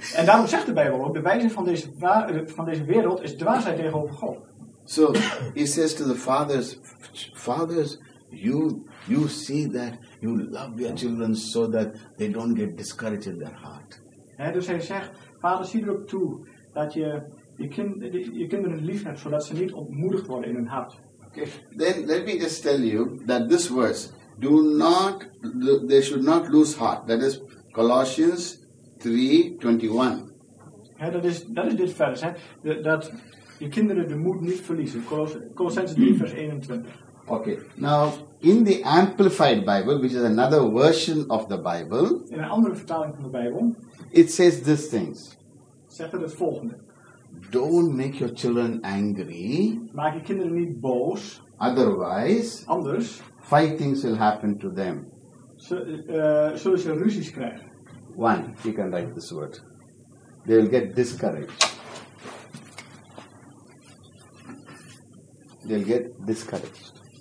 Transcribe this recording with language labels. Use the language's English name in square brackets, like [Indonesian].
[Dutch] En daarom zegt de Bijbel ook, de wijze van deze wereld is dwaasheid tegenover God. [English] So he says to the fathers, fathers, you see that you love your children so that they don't get discouraged in their heart. [Dutch] Ja, dus hij zegt, vader, zie erop toe dat je kinderen lief hebt zodat ze niet ontmoedigd worden in hun hart. [English] Okay. Then let me just tell you that this verse, do not, they should not lose heart. That is Colossians 3:21. [Dutch] Ja, dat is dit vers, hè? Dat Je kinderen de moed niet verliezen. Colossense 3 vers 21. [English] Okay. Now, in the Amplified Bible, which is another version of the Bible. [Dutch] In een andere vertaling van de Bijbel. [English] It says these things. [Dutch] Zegt het volgende. [English] Don't make your children angry. [Dutch] Maak je kinderen niet boos. [English] Otherwise. [Dutch] Anders. [English] 5 things will happen to them. [Dutch] Zullen ze ruzies krijgen. [English] 1. You can write this word. They will get discouraged. They'll get discouraged.